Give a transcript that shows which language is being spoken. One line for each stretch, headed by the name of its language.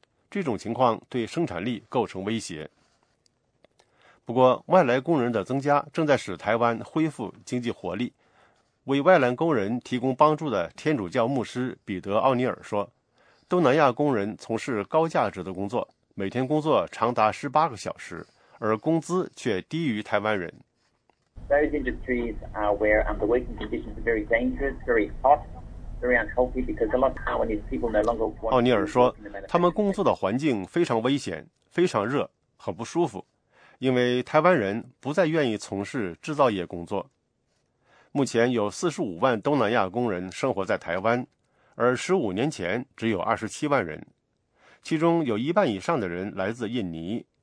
Chinese: 这种情况对生产力构成威胁。不过，外来工人的增加正在使台湾恢复经济活力。为外来工人提供帮助的天主教牧师彼得·奥尼尔说，东南亚工人从事高价值的工作，每天工作长达18个小时，而工资却低于台湾人。
English: Those industries are where the working conditions are very dangerous, very hot, very unhealthy because a lot of Taiwanese people no longer want to work.
Chinese: 奥尼尔说，他们工作的环境非常危险，非常热，很不舒服，因为台湾人不再愿意从事制造业工作。目前有450,000东南亚工人生活在台湾，而15年前只有270,000人，其中有一半以上的人来自印尼。